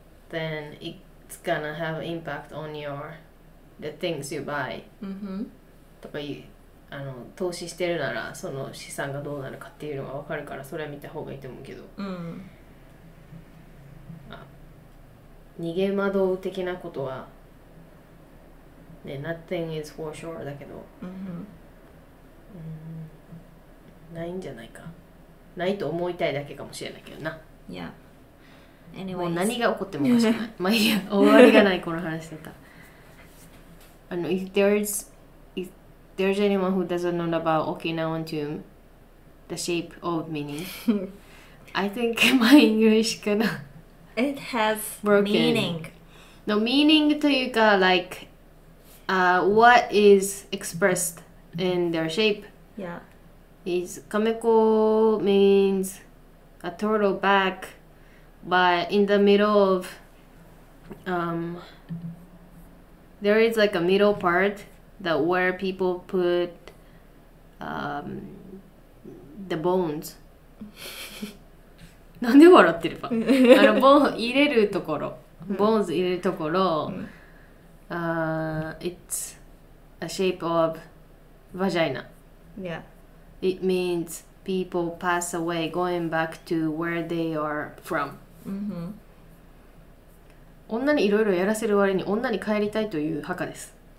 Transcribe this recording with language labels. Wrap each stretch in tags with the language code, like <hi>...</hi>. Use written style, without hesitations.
<en>then it's gonna have impact on your the things you buy、 mm-hmm.</en> <ja>とか、あの投資してるならその資産がどうなるかっていうのが分かるから、それは見た方がいいと思うけど、</ja> <en>mm-hmm.</en> <ja>あ、逃げ惑う的なことはね、</ja> <en>nothing is for sure</en> <ja>だけど、</ja> <en>mm-hmm.</en> <ja>ないんじゃないか、ないと思いたいだけかもしれないけどな。いや、</ja> <en>yeah.</en> <ja>もう何が起こってもおかしくない。まあいいや、終わりがないこの話だった。</ja> <en>あの、if there's anyone who doesn't know about Okinawan tomb, the shape of meaning, I think my English kind of it has broken. Meaning. No meaning</en> <ja>というか</ja> <en>like, what is expressed in their shape? Yeah. Is Kameko means a turtle back, but in the middle of, there is like a middle part that where people put, the bones.</en> <ja>なんで笑ってるか。あの、ボーン入れるところ、ボーンズ入れるところ、</ja> <en>it's a shape of vagina. Yeah. It means people pass away, going back to where they are from. Mm-hmm.</en> <ja>女にいろいろやらせる割に女に帰りたいという墓です。</ja>